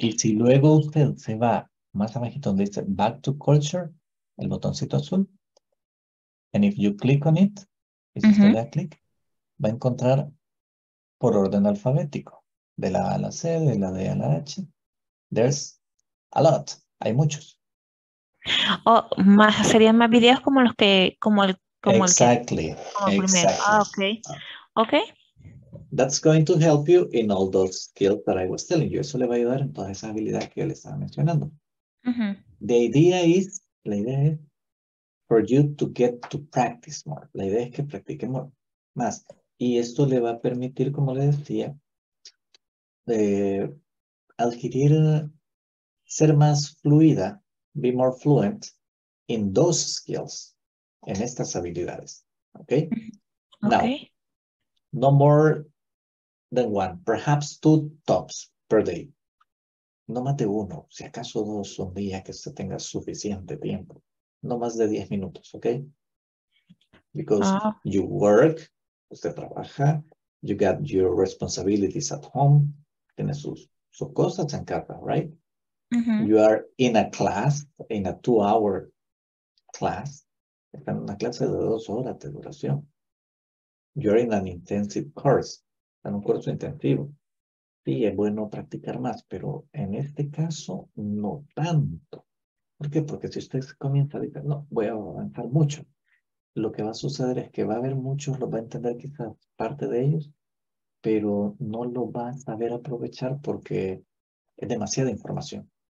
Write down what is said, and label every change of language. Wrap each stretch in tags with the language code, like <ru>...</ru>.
<es>Y si luego usted se va más abajito donde dice Back to Culture, el botoncito azul,</es> <en>and if you click on it,</en> <es>y si usted le da click, va a encontrar por orden alfabético, de la A a la C, de la D a la H,</es> <en>there's a lot,</en> <es>hay muchos. O más, serían más videos como los que, como</es> <en>exactly.</en> <es>El que, como</es> <en>exactly. Ah, okay. Okay. That's going to help you in all those skills that I was telling you.</en> <es>Eso le va a ayudar en todas esas habilidades que yo le estaba mencionando. Uh-huh. La idea es</es> <en>for you to get to practice more.</en> <es>La idea es que practique</es> <en>more,</en> <es>más. Y esto le va a permitir, como le decía, de adquirir, ser más fluida,</es> <en>be more fluent in those skills,</en> <es>en estas habilidades. Okay?</es> <en>Okay. Now, no more than one, perhaps two tops per day.</en> <es>No más de uno, si acaso dos un día que usted tenga suficiente tiempo. No más de 10 minutos, okay?</es> <en>Because you work,</en> <es>usted trabaja,</es> <en>you got your responsibilities at home,</en> <es>tiene sus cosas en casa,</es> <en>right? You are in a class, in a two-hour class.</en> <es>Está en una clase de 2 horas de duración.</es> <en>You are in an intensive course.</en> <es>Está en un curso intensivo. Sí, es bueno practicar más, pero en este caso no tanto. ¿Por qué? Porque si usted comienza a decir, no, voy a avanzar mucho. Lo que va a suceder es que va a haber muchos, lo va a entender quizás parte de ellos, pero no lo va a saber aprovechar porque es demasiada información.</es>